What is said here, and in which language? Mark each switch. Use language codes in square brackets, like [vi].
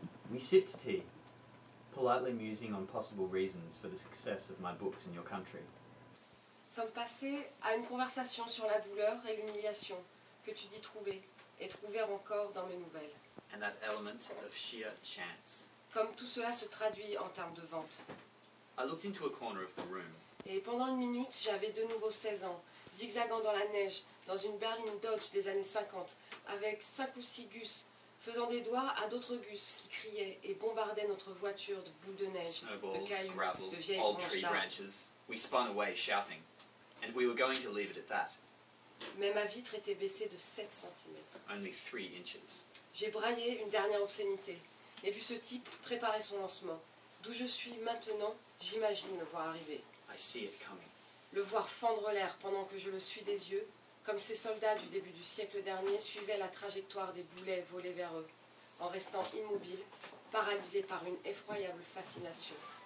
[en] We sip tea, politely musing on possible reasons for the success of my books in your country. [fr] Sommes passés à une conversation sur la douleur et l'humiliation que tu dis trouver et trouver encore dans mes nouvelles. [en] And that element of sheer chance. [fr] Comme tout cela se traduit en termes de vente. [en] I looked into a corner of the room. [fr] Et pendant une minute, j'avais de nouveau 16 ans, zigzagant dans la neige, dans une berline Dodge des années 50, avec 5 ou 6 gus, faisant des doigts à d'autres gus qui criaient et bombardaient notre voiture de boules de neige, [en] snowballs, [fr] de cailloux, gravel, de vieilles branches d'arbres. [en] We spun away shouting, and we were going to leave it at that. [fr] Mais ma vitre était baissée de 7 cm. [en] Only 3 inches. [fr] J'ai braillé une dernière obscénité et vu ce type préparer son lancement. D'où je suis maintenant, j'imagine le voir arriver. [en] I see it coming. [fr] Le voir fendre l'air pendant que je le suis des yeux, comme ces soldats du début du siècle dernier suivaient la trajectoire des boulets volés vers eux, en restant immobiles, paralysés par une effroyable fascination.